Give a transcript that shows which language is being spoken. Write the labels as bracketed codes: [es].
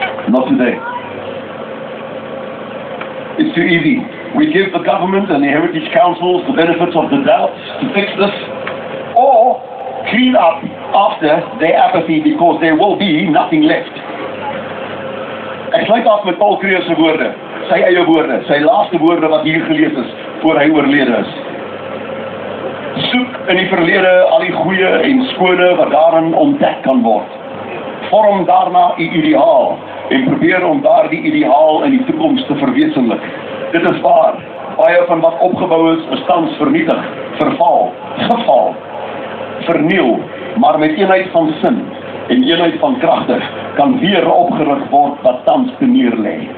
[en] Not today. It's too easy. We give the government and the heritage councils the benefits of the doubt to fix this, or clean up after their apathy, because there will be nothing left. [af] Ek sluit af met Paul Kreer se woorde, sy eie woorde, sy laaste woorde wat hier gelees is voor hy oorlede is. Soek in die verlede al die goeie en skone wat daarin ontdek kan word. Vorm daarna die ideaal en probeer om daar die ideaal in die toekomst te verwesenlik. Dit is waar, baie van wat opgebouw is, is tans vernietig, verval, geval, verniel, maar met eenheid van sin en eenheid van krachtig kan weer opgerig word wat tans te neer lê.